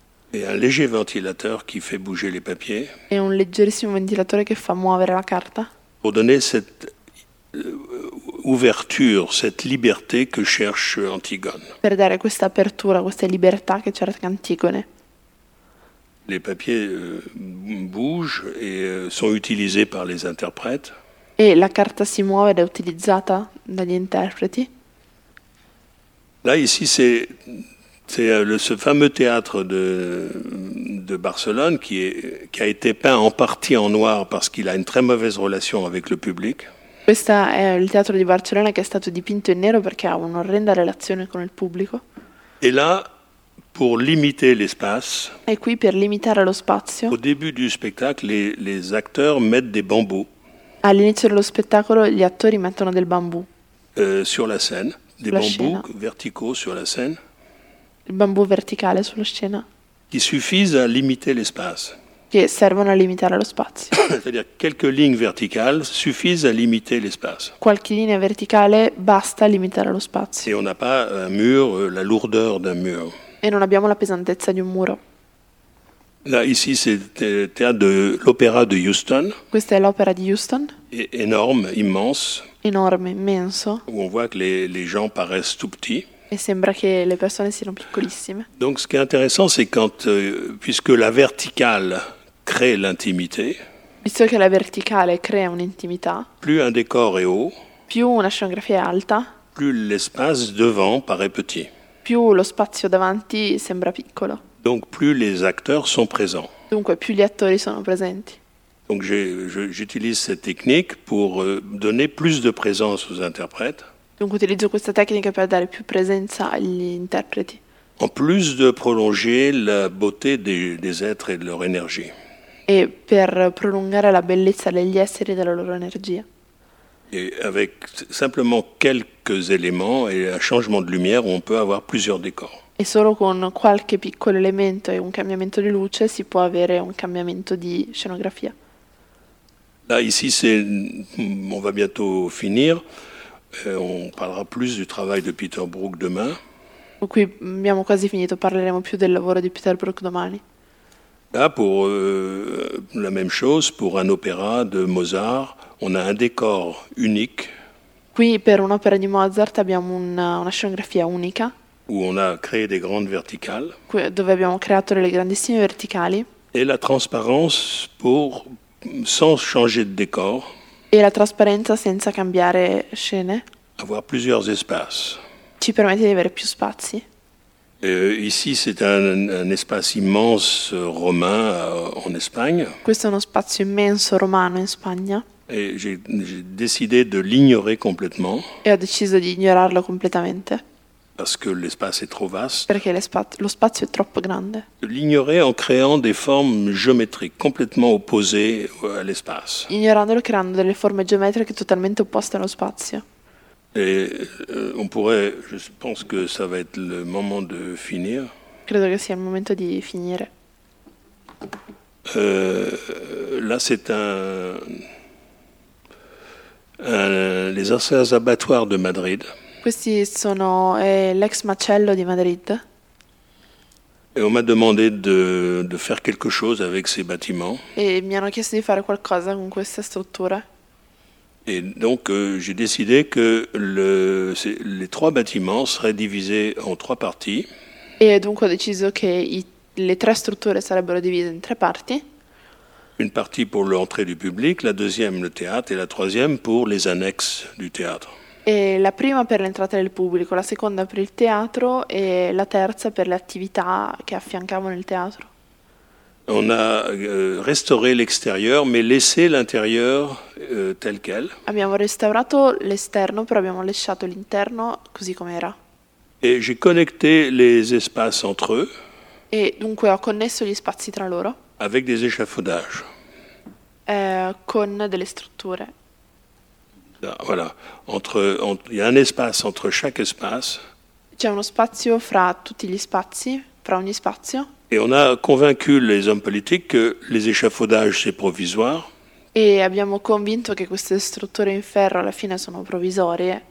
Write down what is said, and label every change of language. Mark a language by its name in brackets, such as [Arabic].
[French] Et un léger ventilateur qui fait bouger les papiers. [Italian] E un leggerissimo ventilatore che fa muovere la carta. [French] Pour donner cette ouverture, cette liberté que cherche Antigone. [Italian] Per dare questa apertura, questa libertà che cerca Antigone. [French] Les papiers bougent et sont utilisés par les interprètes. [Italian] E la carta si muove ed è utilizzata dagli interpreti. [French] Là, ici, c'est ce fameux théâtre de Barcelone qui a été peint en partie en noir parce qu'il a une très mauvaise relation avec le public. [Italian] Questo è il teatro di Barcellona che è stato dipinto in nero perché ha un'orrenda relazione con il pubblico. [French] Et là, pour limiter l'espace, [Italian] E qui per limitare lo spazio, [French] au début du spectacle, les acteurs mettent des bambous [Italian] all'inizio dello spettacolo gli attori mettono del bambù [French] sur la scène, des [Italian] sulla scena. [French] bambous verticaux sur la scène. [Italian] Il bambù verticale sulla scena. [French] Qui suffisent à limiter l'espace. [Italian] Che servono a limitare lo spazio. [French] C'est-à-dire quelques lignes verticales suffisent à limiter l'espace. [Italian] Qualche linea verticale basta limitare lo [French] Et [Italian] spazio. [French] on n'a pas un mur, la lourdeur d'un mur. [Italian] E non abbiamo la pesantezza di un muro. [French] Là, ici, c'est le théâtre de l'opéra de Houston. [Italian] Questa è l'opera di Houston. [French] Et énorme, immense. [Italian] Enorme, immenso. [French] Où on voit que les gens paraissent tout petits. [Italian] E sembra che le persone siano piccolissime. [French] Donc, ce qui est intéressant, c'est quand, puisque la verticale crée l'intimité, [Italian] Visto che la verticale crea un'intimità, [French] plus un décor est haut, [Italian] più una scenografia è alta, [French] plus l'espace devant paraît petit. [Italian] più lo spazio davanti sembra piccolo. [French] Donc, plus les acteurs sont présents. [Italian] Dunque, più gli attori sono presenti. [French] Donc, j'utilise cette technique pour donner plus de présence aux interprètes. [Italian] Dunque, utilizzo questa tecnica per dare più presenza agli interpreti. [French] En plus de prolonger la beauté des êtres et de leur énergie. [Italian] E per prolungare la bellezza degli esseri e della loro energia. [French] Et avec simplement quelques éléments et un changement de lumière, on peut avoir plusieurs décors. [Italian] E solo con qualche piccolo elemento e un cambiamento di luce si può avere un cambiamento di scenografia. [French] Là, ici, on va bientôt finir. On parlera plus du travail de Peter Brook demain. [Italian] Qui abbiamo quasi finito, parleremo più del lavoro di Peter Brook domani. [French] Là, pour la même chose, pour un opéra de Mozart, on a un décor unique [Italian] Qui per un'opera di Mozart abbiamo una scenografia unica, [French] où on a créé des grandes verticales [Italian] dove abbiamo creato delle grandissime verticali, [French] et la transparence pour sans changer de décor, [Italian] e la trasparenza senza cambiare scene. [French] avoir plusieurs espaces. [Italian] Ci permette di avere più spazi. [French] Ici, c'est un espace immense romain en Espagne. [Italian] Questo è uno spazio immenso romano in Spagna. [French] Et j'ai décidé de l'ignorer complètement [Italian] E ho deciso di ignorarlo completamente. [French] Parce que l'espace est trop vaste. [Italian] Perché lo spazio è troppo grande. [French] L'ignorer en créant des formes géométriques complètement opposées à l'espace. [Italian] Ignorandolo creando delle forme geometriche totalmente opposte allo spazio. [French] Et on pourrait, je pense que ça va être le moment de finir. [Italian] Credo che sia il momento di finire. [French] Là, c'est les anciens abattoirs de Madrid. [Italian] Questi sono l'ex macello di Madrid. [French] Et on m'a demandé de faire quelque chose avec ces bâtiments. [Italian] Et mi hanno chiesto di fare qualcosa con queste strutture. [French] Et donc j'ai décidé que les trois bâtiments seraient divisés en trois parties. Et donc [Italian] ho deciso che le tre strutture sarebbero divise in tre parti. [French] Une partie pour l'entrée du public, la deuxième le théâtre et la troisième pour les annexes du théâtre. [Italian] E la prima per l'entrata del pubblico, la seconda per il teatro e la terza per le attività che affiancavano il teatro. [French] On a restauré l'extérieur mais laissé l'intérieur tel quel. [Italian] Abbiamo restaurato l'esterno, però abbiamo lasciato l'interno così com'era. [French] Et j'ai connecté les espaces entre eux. [Italian] E dunque ho connesso gli spazi tra loro. [French] Avec des échafaudages. [Italian] Con delle strutture. [French] Voilà, il y a un espace entre chaque espace. [Italian] C'è uno spazio fra tutti gli spazi, fra ogni spazio. [French] Et on a convaincu les hommes politiques que les échafaudages c'est provisoire. [Italian] E abbiamo convinto che queste strutture in ferro alla fine sono provvisorie.